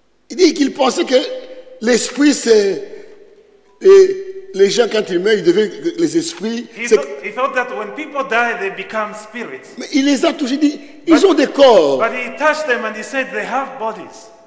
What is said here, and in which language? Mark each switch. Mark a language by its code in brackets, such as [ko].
[fr] Il dit qu'il pensait que l'esprit c'est et les gens quand ils meurent ils deviennent les esprits. [en] He thought that when people die they become spirits. [fr] Mais il les a touchés, dit ils ont des corps. [en] But he touched them and he said they have bodies.